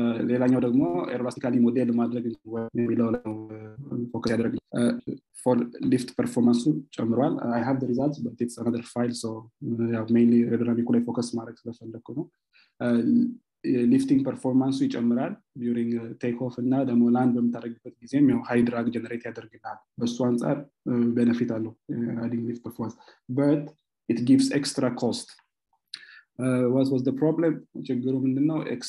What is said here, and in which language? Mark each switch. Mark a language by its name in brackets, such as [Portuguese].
[Amharic] ሌላኛው ደግሞ aerobatically model ማድረግ የሚለው ፎከስ ያደረገ [English] for lift performance [Amharic] ጨምሯል. [English] I have the results but it's another file, so yeah, mainly aerodynamically focus [Amharic] ማድረግ ስለፈለኩ ነው. ሊፍቲንግ ፐርፎርማንስ ይጨምራል ዲዩሪንግ ቴክ ኦፍ እና ደሞ ላንድ በመታረግበት ጊዜም ያው ሃይ ድራግ ጀነሬት ያደርግልናል በሱ አንፃር ቤነፊት አለው አዲንግ ሊፍት ፐርፎርማንስ [English] but it gives extra cost. What was the problem? [Amharic] ችግሩ ምንድነው?